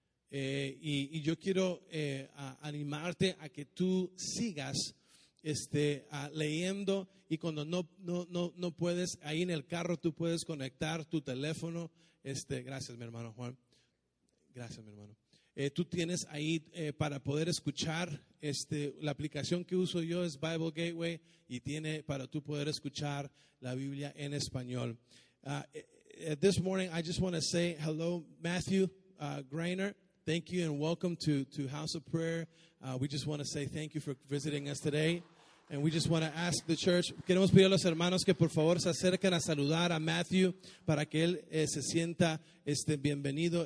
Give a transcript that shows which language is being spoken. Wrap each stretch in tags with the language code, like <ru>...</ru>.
<es>Y yo quiero animarte a que tú sigas leyendo, y cuando no puedes, ahí en el carro tú puedes conectar tu teléfono. Gracias, mi hermano Juan. Gracias, mi hermano. Tú tienes ahí para poder escuchar. La aplicación que uso yo es Bible Gateway, y tiene para tú poder escuchar la Biblia en español.</es> <en>This morning I just want to say hello, Matthew Greiner. Thank you and welcome to House of Prayer. We just want to say thank you for visiting us today. And we just want to ask the church.</en> <es>Queremos pedir a los hermanos que por favor se acerquen a saludar a Matthew para que él se sienta bienvenido.</es>